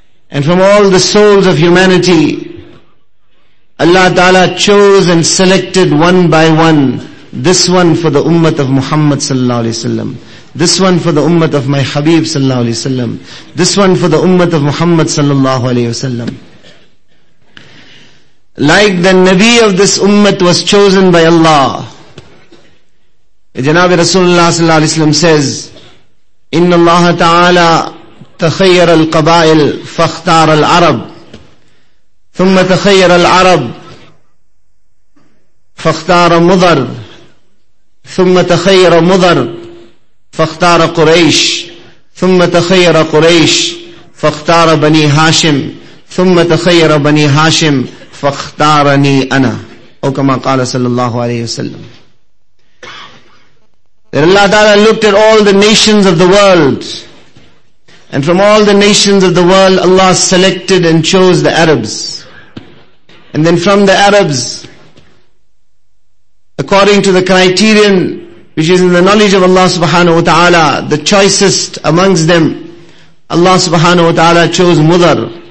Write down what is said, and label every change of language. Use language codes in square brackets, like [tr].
[en] And from all the souls of humanity, Allah Ta'ala chose and selected one by one, this one for the ummah of Muhammad sallallahu alayhi wa sallam, this one for the ummah of my Habib sallallahu alayhi wa sallam, this one for the ummah of Muhammad sallallahu alayhi wa sallam. Like the Nabi of this ummah was chosen by Allah. [ar] Janabi Rasulullah sallallahu alayhi wa sallam says, Inna Allah Ta'ala تخير القبائل فاختار العرب ثم تخير العرب فاختار مضر ثم تخير مضر فاختار قريش ثم تخير قريش فاختار بني هاشم ثم تخير بني هاشم فاختارني أنا أو كما قال صلى الله عليه وسلم. [en] Then Allah Ta'ala looked at all the nations of the world. And from all the nations of the world, Allah selected and chose the Arabs. And then from the Arabs, according to the criterion which is in the knowledge of Allah subhanahu wa ta'ala, the choicest amongst them, Allah subhanahu wa ta'ala chose Mudhar.